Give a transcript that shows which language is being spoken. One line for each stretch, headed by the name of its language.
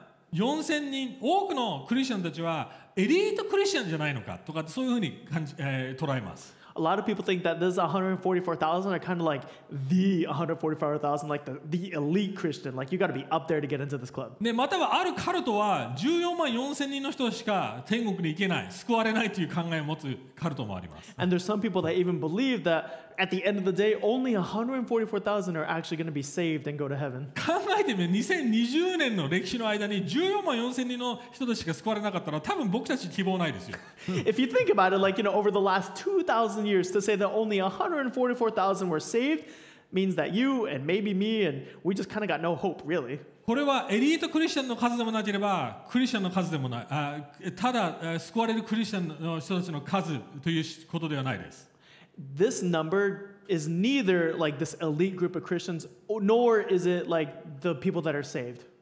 Japanese: 4,000人、多くのクリスチャンたちはエリートクリスチャンじゃないのかとかそういうふうに感じ、捉えます。
English: A lot of people think that this 144,000 are kind of like the 144,000, like the elite Christian. Like you got to be up there to get into this club.
Japanese: ね、またはあるカルトは144,000人の人しか天国に行けない、救われないという考えを持つカルトもあります。
English: And there's some people that even believe that at the end of the day, only 144,000 are actually going to be saved and go to heaven.
Japanese: 考えてみる、2020年の歴史の間に144,000人の人たちが救われなかったら、多分僕たち希望ないですよ。
English: If you think about it, like you know, over the last 2,000 years, to say that only 144,000 were saved means that you and maybe me and we just kind of got no hope, really.
Japanese: これはエリートクリスチャンの数でもなければクリスチャンの数でもない。ただ救われるクリスチャンの人たちの数ということではないです。
English: This number is neither like this elite group of Christians, nor is it like the people that are saved.